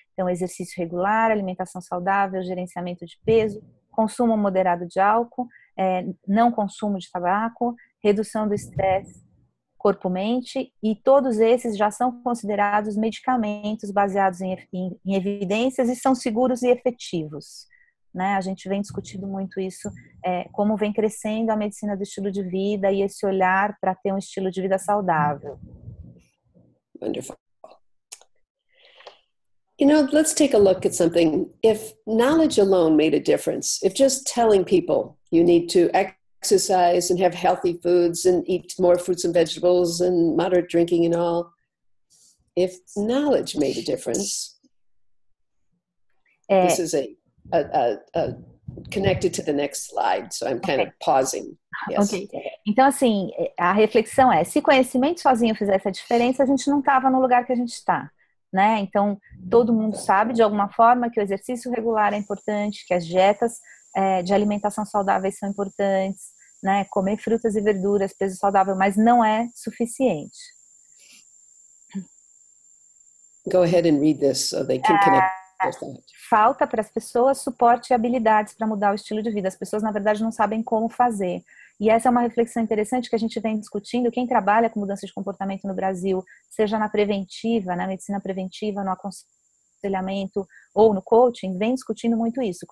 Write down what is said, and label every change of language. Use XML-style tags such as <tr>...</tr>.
<pt>Então, exercício regular, alimentação saudável, gerenciamento de peso, consumo moderado de álcool, não consumo de tabaco, redução do estresse corpo-mente, e todos esses já são considerados medicamentos baseados em evidências e são seguros e efetivos. Né? A gente vem discutindo muito isso, como vem crescendo a medicina do estilo de vida e esse olhar para ter um estilo de vida saudável.</pt> <en>Wonderful. You know, let's take a look at something. If knowledge alone made a difference, if just telling people you need to exercise and have healthy foods and eat more fruits and vegetables and moderate drinking and all, if knowledge made a difference, this is a connected to the next slide, so I'm kind of pausing. Yes. Okay.</en> <pt>Então, assim, a reflexão é, se conhecimento sozinho fizesse a diferença, a gente não estava no lugar que a gente está. Né? Então, todo mundo sabe, de alguma forma, que o exercício regular é importante, que as dietas de alimentação saudáveis são importantes, né? Comer frutas e verduras, peso saudável, mas não é suficiente.</pt> <en>Go ahead and read this so they can connect with that.</en> <pt>Falta para as pessoas suporte e habilidades para mudar o estilo de vida. As pessoas, na verdade, não sabem como fazer. E essa é uma reflexão interessante que a gente vem discutindo. Quem trabalha com mudança de comportamento no Brasil, seja na preventiva, na medicina preventiva, no aconselhamento ou no coaching, vem discutindo muito isso.</pt>